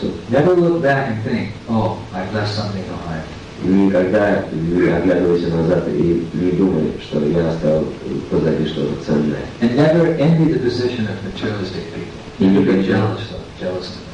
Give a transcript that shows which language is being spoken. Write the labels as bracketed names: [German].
[English] Never look back and think, oh, I've left something behind. [Russian] Никогда не оглядывайся назад и не думай, что я оставил позади что-то ценное. [English] And never envy the position of materialistic people. [Russian] И [English] никогда jealous, jealous.